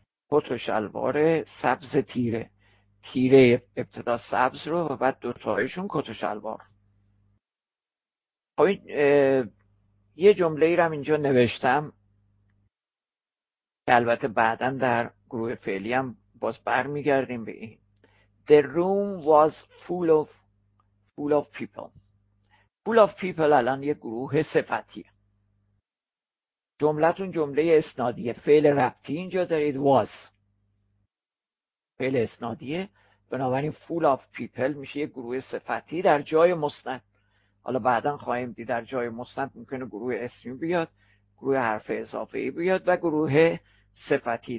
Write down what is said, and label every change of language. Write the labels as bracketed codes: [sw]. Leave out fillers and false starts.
[fa] کت و شلوار سبز تیره، تیره ابتدا سبز رو و بعد دوتایشون کت و شلوار. خب یه جمله ای رو اینجا نوشتم که البته بعداً در گروه فعلی هم باز بر میگردیم به این. [en] The room was full of people. Full of people [fa] الان یه گروه صفتیه. جملتون جمله اسنادیه. فعل ربطی اینجا دارید was. فعل اسنادیه. بنابراین [en] full of people [fa] میشه یه گروه صفتی در جای مستند. حالا بعداً خواهیم دید در جای مستند ممکنه گروه اسمی بیاد، گروه حرف اضافه ای بیاد و گروه صفتی.